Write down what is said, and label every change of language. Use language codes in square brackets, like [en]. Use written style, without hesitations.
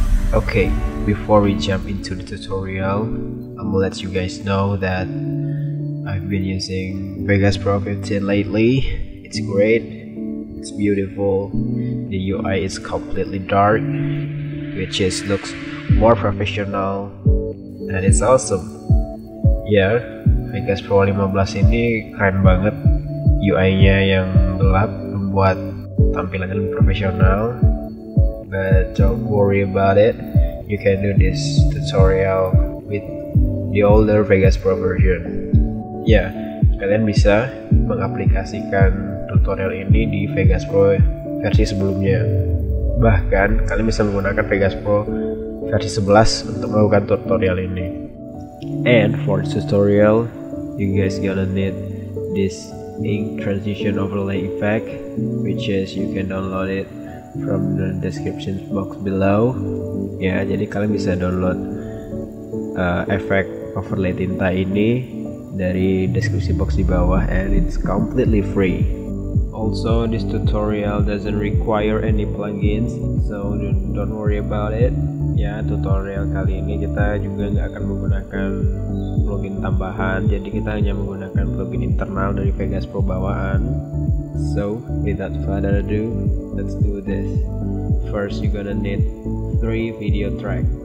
[en] Okay, before we jump into the tutorial, I'm gonna let you guys know that I've been using Vegas Pro 15 lately. It's great, it's beautiful, the UI is completely dark, which is looks more professional, and it's awesome. [id] Yeah, Vegas Pro 15 ini keren banget, UI-nya yang gelap membuat tampilannya lebih profesional. [en] But don't worry about it, you can do this tutorial with the older Vegas Pro version. [id] Yeah, kalian bisa mengaplikasikan tutorial ini di Vegas Pro versi sebelumnya. Bahkan, kalian bisa menggunakan Vegas Pro versi 11 untuk melakukan tutorial ini. [en] And for the tutorial, you guys gonna need this ink transition overlay effect, which is you can download it from the description box below. [id] Ya, jadi kalian bisa download efek overlay tinta ini dari deskripsi box di bawah, [en] and it's completely free. Also, this tutorial doesn't require any plugins, so don't worry about it. [id] Ya, tutorial kali ini kita juga nggak akan menggunakan plugin tambahan, jadi kita hanya menggunakan plugin internal dari Vegas Pro bawaan. [en] So, without further ado, let's do this. First, you're gonna need 3 video track.